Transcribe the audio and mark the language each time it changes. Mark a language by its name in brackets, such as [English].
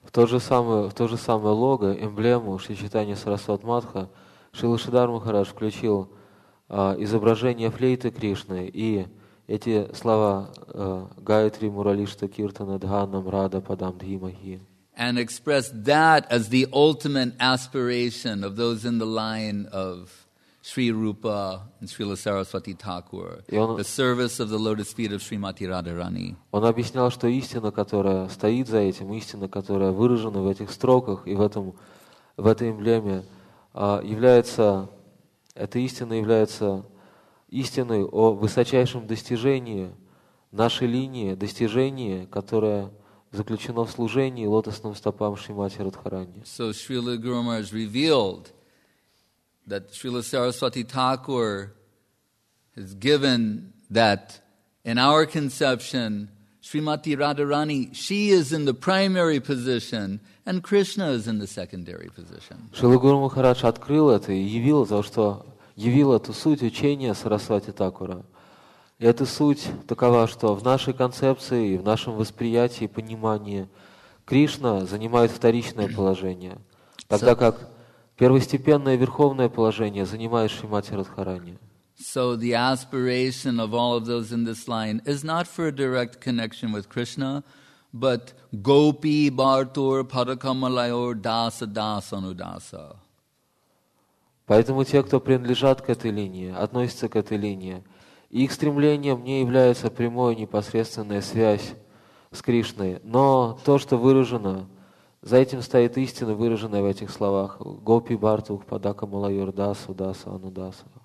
[Russian] В то же самое лого, эмблему Шри Чайтанья Сарасват Матха, Шрила Шридхара Махарадж включил изображение флейты Кришны и эти слова [Sanskrit] Гаятри Муралишта Киртана Дханам Рада Падам Дхимахи. [English] And expressed that as the ultimate aspiration of those in the line of Sri Rupa and Srila Saraswati Thakur, the service of the lotus feet of Srimati Radharani. [Russian] Он объяснял, что истина, которая стоит за этим, истина, которая выражена в этих строках и в этой эмблеме, является истиной о высочайшем достижении нашей линии, достижении, которое заключено в служении лотосным стопам Шримати Радхарани. [English] So Srila Guru Maharaj revealed that Srila Saraswati Thakur has given that in our conception, Srimati Radharani, she is in the primary position and Krishna is in the secondary position. [Russian] Srila Guru Maharaj открыл это и явил эту суть учения Сарасвати Такура. И эта суть такова, что в нашей концепции, в нашем восприятии, понимании Кришна занимает вторичное положение, тогда как первостепенное верховное положение занимает Шримати Радхарани. [English] So the aspiration of all of those in this line is not for a direct connection with Krishna, but [Sanskrit] Gopi Bartur Parakamalayor Dasa Dasa Anudasa. [Russian] Поэтому те, кто принадлежат к этой линии, относятся к этой линии, их стремлением не является прямая непосредственная связь с Кришной, но то, что выражено, за этим стоит истина, выраженная в этих словах [Sanskrit] «Гопи бартух падака малайор дасу даса анудаса».